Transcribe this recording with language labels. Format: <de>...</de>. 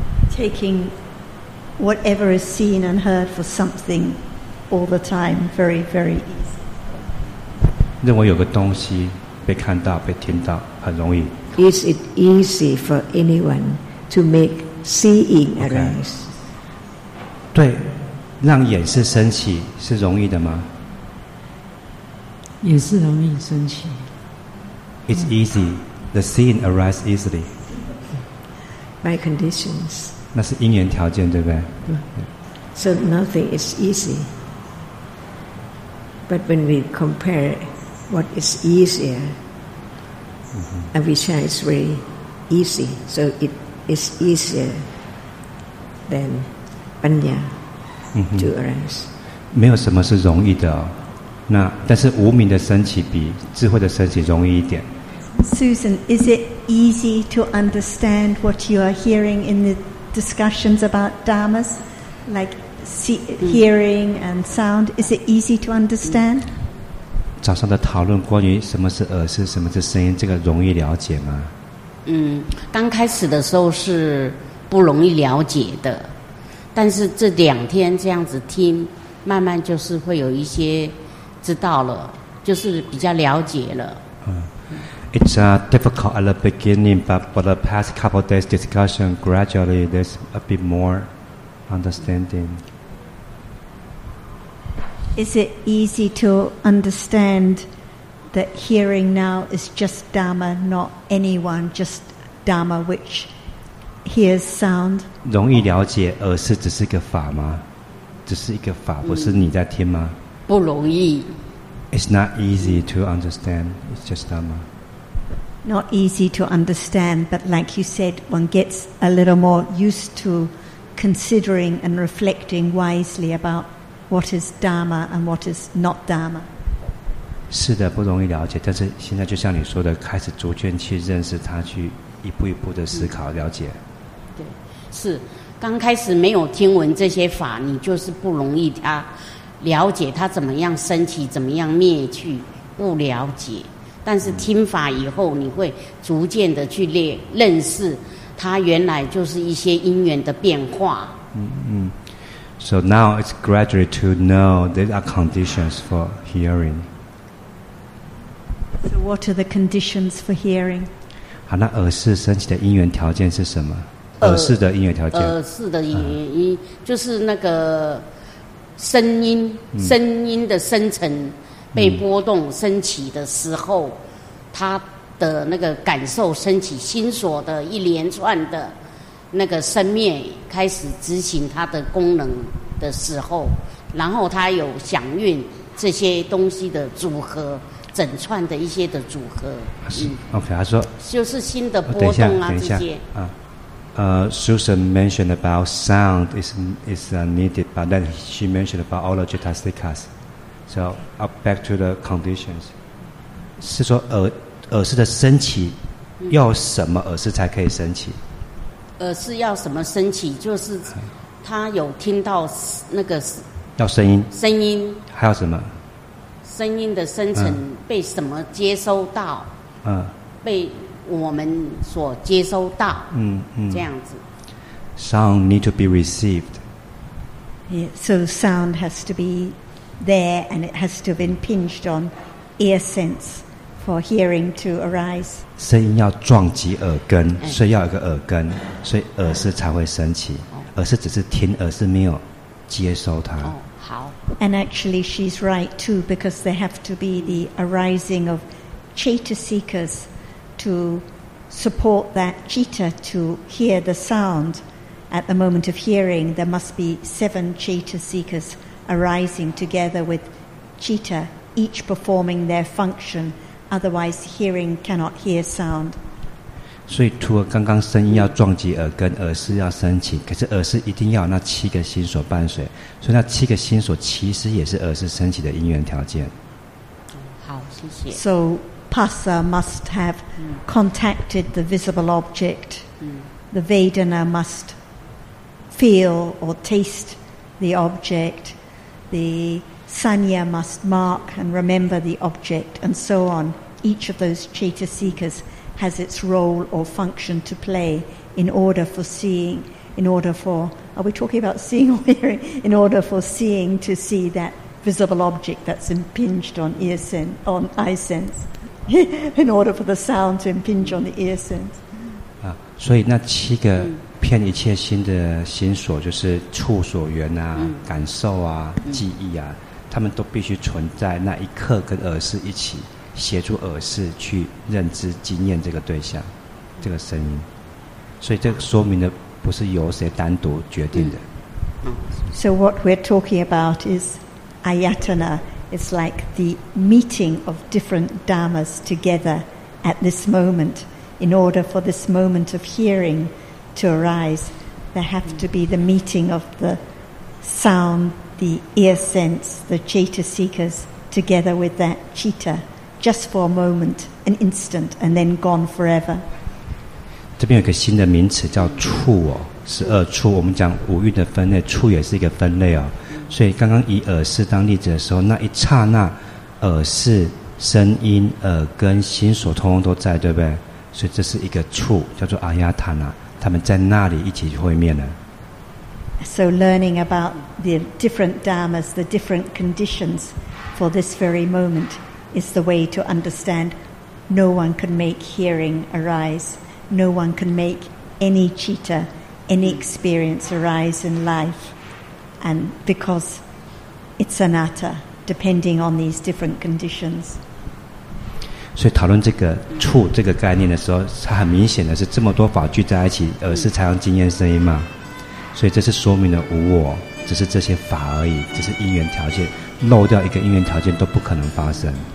<en>Taking whatever is seen and heard for something all the time, very, very easy.</en> <zh>认为有个东西被看到被听到很容易。</zh> <en>Is it easy for anyone to make seeing arise? Okay.</en> <zh>对，让眼识升起是容易的吗？也是容易升起。</zh> <en>It's easy. The seeing arise easily. By conditions.</en> <zh>那是因缘条件，对不对？对。</zh> <en>So nothing is easy. But when we compare what is easier, avijja is very easy. So it is easier than paññā to arise.</en> <zh>没有什么是容易的、哦。那但是无明的升起比智慧的升起容易一点。</zh> <en>Susan, is it easy to understand what you are hearing in the discussions about dhammas, like hearing and sound? Is it easy to understand?</en> <zh>早上的讨论关于什么是耳识、什么是声音，这个容易了解吗？刚开始的时候是不容易了解的，但是这两天这样子听，慢慢就是会有一些知道了，就是比较了解了。</zh> <en>It's difficult at the beginning, but for the past couple of days' discussion, gradually there's a bit more understanding. Is it easy to understand that hearing now is just Dhamma, not anyone, just Dhamma which hears sound?</en> <zh>容易了解，耳识只是一个法吗？只是一个法，不是你在听吗？不容易。</zh> <en>It's not easy to understand. It's just Dhamma. Not easy to understand, but like you said, one gets a little more used to considering and reflecting wisely about what is Dhamma and what is not Dhamma.</en> <zh>是的，不容易了解，但是现在就像你说的，开始逐渐去认识它，去一步一步的思考了解。对，是刚开始没有听闻这些法，你就是不容易它了解它怎么样升起，怎么样灭去，不了解。但是听法以后，你会逐渐的去认识，它原来就是一些因缘的变化。</zh> <en>So now it's gradually to know there are conditions for hearing. So what are the conditions for hearing?</en> <zh>好，那耳识升起的因缘条件是什么？耳识的因缘条件。耳识的原因就是那个声音，声音的生成。被波动升起的时候，他的那个感受升起，心所的一连串的那个生灭开始执行它的功能的时候，然后他有响应这些东西的组合，整串的一些的组合。 OK， 他说就是心的波动啊，这些。</zh> <en>Susan mentioned about sound is needed, but then she mentioned about all the jitasikas. So, up back to the conditions.</en> <zh>是说耳识的升起，要什么耳识才可以升起？耳识要什么升起？就是他有听到那个。要声音。声音。还有什么？声音的生成被什么接收到？被我们所接收到，这样子。</zh> <en>Sound need to be received. Yeah, so sound has to be there, and it has to have impinged on ear sense for hearing to arise.</en> <zh>声音要撞击耳根，所以要有个耳根，所以耳识才会升起。耳识只是听，耳识没有接收它。</zh> <en>And actually, she's right too, because there have to be the arising of chetasikas to support that chitta to hear the sound. At the moment of hearing, there must be seven chetasikas arising together with chitta, each performing their function. Otherwise, hearing cannot hear sound.</en> <zh>所以除了刚刚声音要撞击耳根，耳识要升起，可是耳识一定要有那七个心所伴随，所以那七个心所其实也是耳识升起的因缘条件。好，谢谢。</zh> <en>So Pasa must have contacted the visible object. The Vedana must feel or taste the object. The Sanya must mark and remember the object, and so on. Each of those chetasikas has its role or function to play in order for seeing, in order for, are we talking about seeing or hearing? In order for seeing to see that visible object that's impinged on ear sense, on eye sense, in order for the sound to impinge on the ear sense.</en> <zh>啊，所以那七个骗一切心的心所，就是触所缘啊，感受啊，记忆啊，他们都必须存在那一刻跟耳识一起。协助耳识去认知经验这个对象，这个声音，所以这个说明的不是由谁单独决定的。</zh> <en>So what we're talking about is ayatana. It's like the meeting of different dharmas together at this moment. In order for this moment of hearing to arise, there have to be the meeting of the sound, the ear sense, the chetasikas together with that chitta. Just for a moment, an instant, and then gone forever.</en> <zh>这边有个新的名词叫触哦，十二触。我们讲五蕴的分类，触也是一个分类哦。所以刚刚以耳识当例子的时候，那一刹那，耳识、声音、耳根、心所通通都在，对不对？所以这是一个触，叫做阿亚塔那，他们在那里一起会面了。</zh> <en>So learning about the different dharmas, the different conditions for this very moment. Is the way to understand no one can make hearing arise, no one can make any chitta, any experience arise in life, and because it's anatta, depending on these different conditions.</en> <zh>所以讨论这个触这个概念的时候，它很明显的是这么多法聚在一起，耳识才能经验声音嘛。所以这是说明了无我，只是这些法而已，只是因缘条件，漏掉一个因缘条件都不可能发生。</zh>